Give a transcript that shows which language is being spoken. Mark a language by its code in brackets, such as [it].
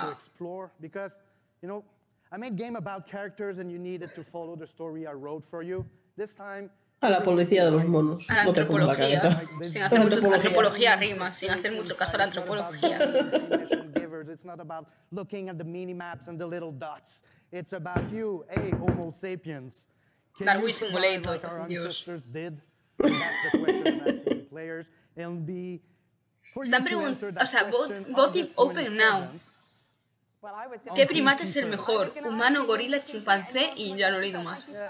[en] explore because you know I made game about characters and you needed to follow the story I wrote for you. This time [es] a la policía de los monos. A la antropología. Sin hacer mucho, antropología rima, sin hacer mucho caso a la antropología. [en] It's not about looking at the mini maps and the little dots. It's about you, hey, Homo sapiens. Can you survive simulator, like our ancestors [es] Dios. [en] Did? That's the question I'm asking players. And be for you to answer that question. Vote open now. [es] ¿Qué primate es el mejor? Humano, gorila, chimpancé y ya no he leído más.